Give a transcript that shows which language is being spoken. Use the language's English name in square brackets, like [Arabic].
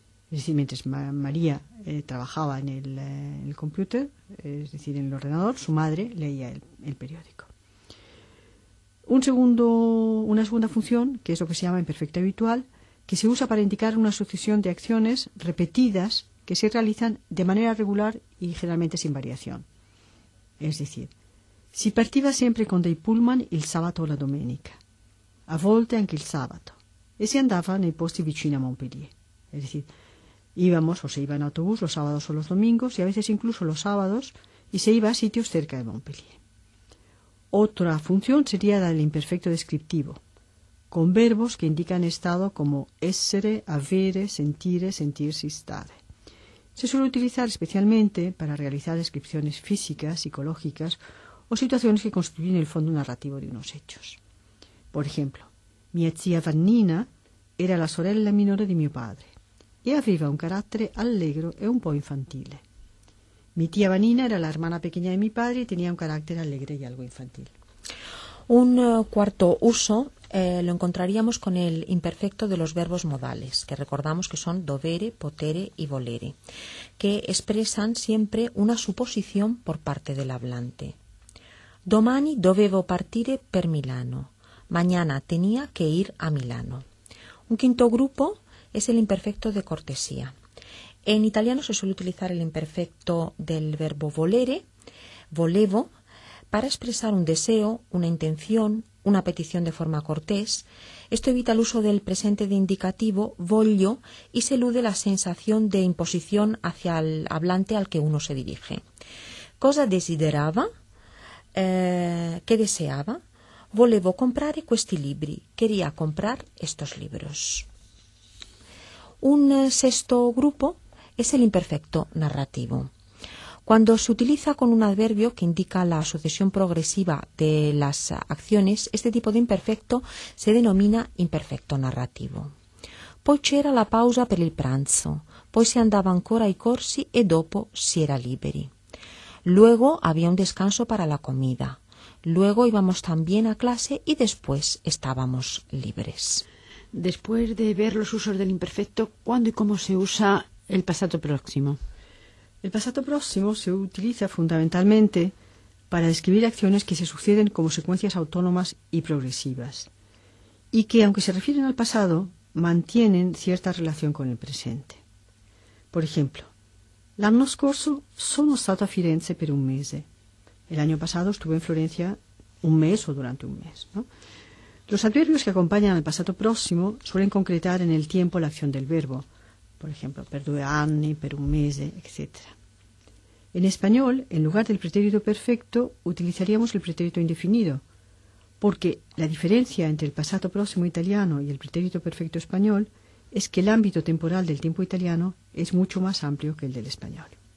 [Spanish] Es decir, mientras María trabajaba en el computer, es decir, en el ordenador, su madre leía el periódico. Una segunda función, que es lo que se llama imperfecto habitual, que se usa para indicar una sucesión de acciones repetidas que se realizan de manera regular y generalmente sin variación. Es decir, [Italian] si partiva siempre con dei pullman il sabato o la domenica, a volte anche il sabato, e si andava nei posti vicini a Montpellier. [Spanish] Es decir, íbamos o se iba en autobús los sábados o los domingos, y a veces incluso los sábados, y se iba a sitios cerca de Montpellier. Otra función sería la del imperfecto descriptivo, con verbos que indican estado como essere, avere, sentire, sentirsi, stare. Se suele utilizar especialmente para realizar descripciones físicas, psicológicas o situaciones que constituyen el fondo narrativo de unos hechos. Por ejemplo, [Italian] mia zia Vannina era la sorella minore [Spanish] de mi padre y [Italian] aveva un carattere allegro e un po' infantile. [Spanish] Mi tía Vannina era la hermana pequeña de mi padre y tenía un carácter alegre y algo infantil. Un cuarto uso lo encontraríamos con el imperfecto de los verbos modales, que recordamos que son dovere, potere y volere, que expresan siempre una suposición por parte del hablante. [Italian] Domani dovevo partire per Milano. [Spanish] Mañana tenía que ir a Milano. Un quinto grupo es el imperfecto de cortesía. En italiano se suele utilizar el imperfecto del verbo volere, volevo, para expresar un deseo, una intención, una petición de forma cortés. Esto evita el uso del presente de indicativo, voglio, y se elude la sensación de imposición hacia el hablante al que uno se dirige. [Italian] Cosa desiderava? [Spanish] ¿Qué deseaba? [Italian] Volevo comprare questi libri. [Spanish] Quería comprar estos libros. Un sexto grupo es el imperfecto narrativo. Cuando se utiliza con un adverbio que indica la sucesión progresiva de las acciones, este tipo de imperfecto se denomina imperfecto narrativo. [Italian] Poi c'era la pausa per il pranzo, poi si andava ancora ai corsi e dopo si era liberi. [Spanish] Luego había un descanso para la comida, luego íbamos también a clase y después estábamos libres. Después de ver los usos del imperfecto, ¿cuándo y cómo se usa el pasado próximo? El pasado próximo se utiliza fundamentalmente para describir acciones que se suceden como secuencias autónomas y progresivas, y que, aunque se refieren al pasado, mantienen cierta relación con el presente. Por ejemplo, [Italian] l'anno scorso sono stato a Firenze per un mese. [Spanish] El año pasado estuve en Florencia un mes o durante un mes, ¿no? Los adverbios que acompañan al pasado próximo suelen concretar en el tiempo la acción del verbo, por ejemplo, [Italian] per due anni, per un mese, [Spanish] etc. En español, en lugar del pretérito perfecto, utilizaríamos el pretérito indefinido, porque la diferencia entre el pasado próximo italiano y el pretérito perfecto español es que el ámbito temporal del tiempo italiano es mucho más amplio que el del español.